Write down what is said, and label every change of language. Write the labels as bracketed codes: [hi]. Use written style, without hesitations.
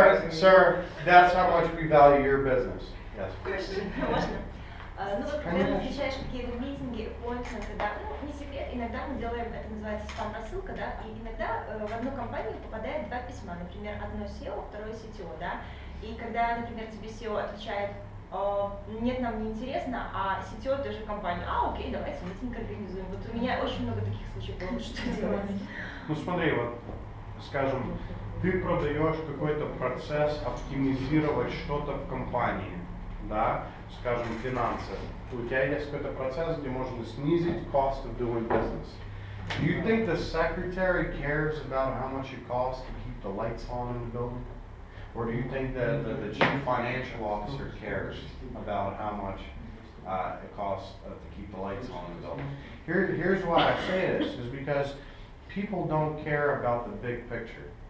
[en] Sir, that's how much we value your business. Yes. [ru] Ну вот, когда ты встречаешь какие-то митинги, appointments, да, ну, не секрет, иногда мы делаем, это называется спам-рассылка, да, и иногда в одну компанию попадает два письма, например, одно SEO, второе CTO, да, и когда, например, тебе SEO отвечает, нет, нам не интересно, а CTO тоже компания, окей, давайте митинг организуем. Вот у меня очень много таких случаев было, что делать. Ну смотри, вот, скажем, ты продаешь какой-то процесс оптимизировать что-то в компании, да, скажем, финансы. У тебя есть какой-то процесс, где можно снизить [en] cost of doing business. Do you think the secretary cares about how much it costs to keep the lights on in the building? Or do you think that the chief financial officer cares about how much it costs to keep the lights on in the building? Here's why I say this, is because people don't care about the big picture.